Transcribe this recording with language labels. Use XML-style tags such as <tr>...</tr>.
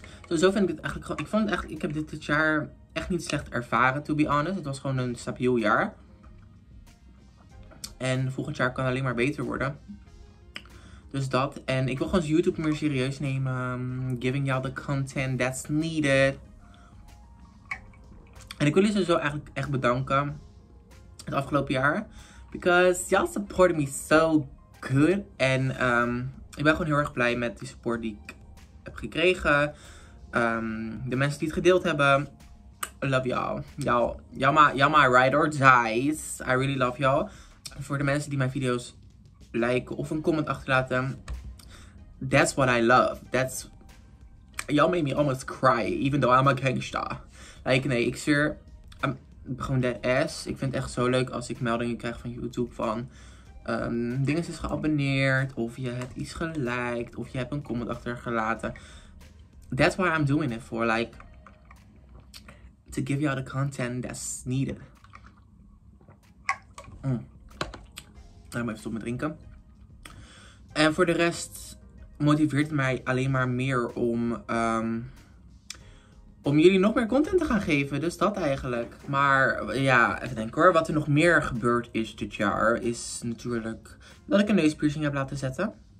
<nl>Zo vind ik het eigenlijk gewoon, ik heb dit jaar echt niet slecht ervaren,</nl> <en>to be honest.</en> <nl>Het was gewoon een stabiel jaar. En volgend jaar kan alleen maar beter worden. Dus dat. En ik wil gewoon YouTube meer serieus nemen.</nl> <en>Giving y'all the content that's needed.</en> <nl>En ik wil jullie sowieso eigenlijk echt bedanken. Het afgelopen jaar.</nl> <en>Because y'all supported me so good.</en> <nl>En ik ben gewoon heel erg blij met die support die ik heb gekregen. De mensen die het gedeeld hebben.</nl> <en>I love y'all. Y'all my ride or dies. I really love y'all.</en> <nl>Voor de mensen die mijn video's liken of een comment achterlaten.</nl> <en>That's what I love. That's, y'all made me almost cry. Even though I'm a gangsta. Like,</en> <nl>nee, ik zweer, gewoon de S. Ik vind het echt zo leuk als ik meldingen krijg van YouTube van dingen is geabonneerd, of je hebt iets geliked, of je hebt een comment achtergelaten.</nl> <en>That's why I'm doing it for, like, to give y'all the content that's needed.</en> <nl>Daarom even stop met drinken. En voor de rest motiveert het mij alleen maar meer om, om jullie nog meer content te gaan geven. Dus dat eigenlijk. Maar ja, even denken hoor. Wat er nog meer gebeurd is dit jaar, is natuurlijk dat ik een neuspiercing heb laten zetten.</nl>